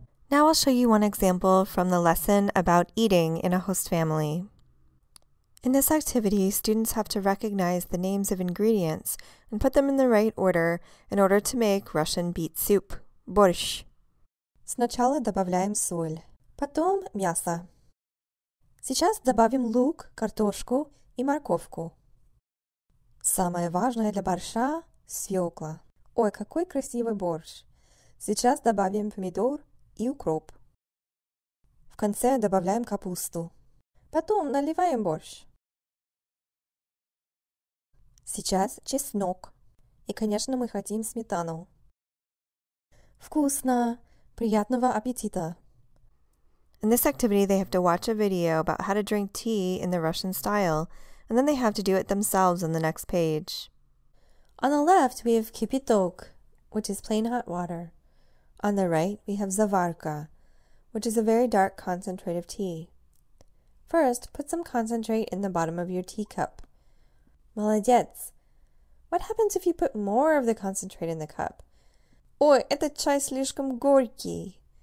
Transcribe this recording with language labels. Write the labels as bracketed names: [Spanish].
[English] Now I'll show you one example from the lesson about eating in a host family. In this activity, students have to recognize the names of ingredients and put them in the right order in order to make Russian beet soup, borscht. [Russian] Сначала добавляем соль, потом мясо. Сейчас добавим лук, картошку и морковку. Самое важное для борща – свекла. Ой, какой красивый борщ! Сейчас добавим помидор и укроп. В конце добавляем капусту. Потом наливаем борщ. Сейчас чеснок. И, конечно, мы хотим сметану. Вкусно! Приятного аппетита! [English] In this activity, they have to watch a video about how to drink tea in the Russian style, and then they have to do it themselves on the next page. On the left, we have kipitok, which is plain hot water. On the right, we have zavarka, which is a very dark concentrate of tea. First, put some concentrate in the bottom of your teacup. [Russian] Молодец! [English] What happens if you put more of the concentrate in the cup? [Russian] Ой, этот чай слишком горький!